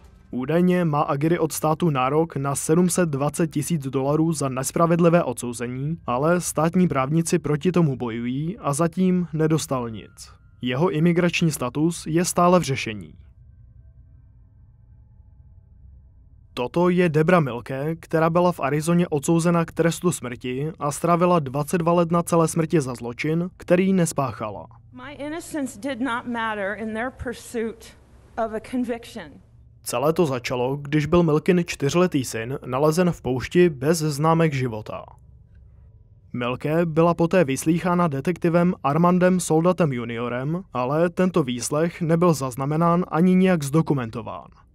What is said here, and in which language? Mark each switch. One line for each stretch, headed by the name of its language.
Czech: Údajně má Aguirre od státu nárok na 720 tisíc dolarů za nespravedlivé odsouzení, ale státní právníci proti tomu bojují a zatím nedostal nic. Jeho imigrační status je stále v řešení. Toto je Debra Milke, která byla v Arizoně odsouzena k trestu smrti a strávila 22 let na celé smrti za zločin, který nespáchala.
English: My innocence did not matter in their pursuit of a conviction.
Czech: Celé to začalo, když byl Milkin čtyřletý syn nalezen v poušti bez známek života. Milke byla poté vyslýchána detektivem Armandem Soldatem juniorem, ale tento výslech nebyl zaznamenán ani nijak zdokumentován.